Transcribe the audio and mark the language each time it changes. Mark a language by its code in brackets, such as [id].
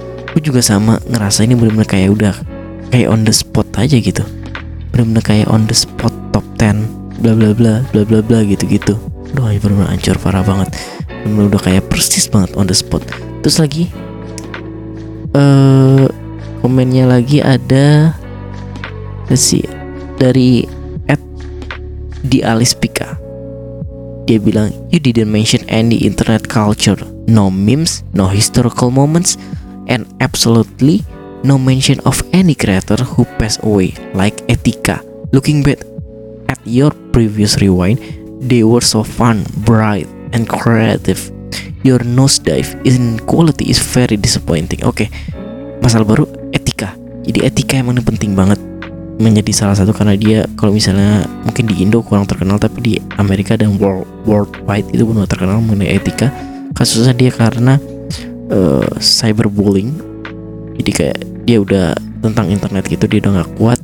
[id] Aku juga sama ngerasa ini bener-bener kayak udah kayak on the spot aja gitu, bener-bener kayak on the spot top 10 bla bla bla bla bla bla gitu-gitu. Aduh, bener-bener hancur parah banget. Bener-bener udah kayak persis banget on the spot. Terus lagi komennya lagi ada, [en] let's see, [id] dari @dialispika. Dia bilang, [en] you didn't mention any internet culture, no memes, no historical moments, and absolutely no mention of any creator who passed away, like Etika. Looking back at your previous rewind, they were so fun, bright, and creative. Your nosedive in quality is very disappointing. [id] Okay, masalah baru, Etika. Jadi Etika emang ini penting banget menjadi salah satu, karena dia kalau misalnya mungkin di Indo kurang terkenal, tapi di Amerika dan worldwide itu benar terkenal mengenai Etika. Kasusnya dia karena cyberbullying. Jadi kayak dia udah tentang internet gitu, dia udah gak kuat.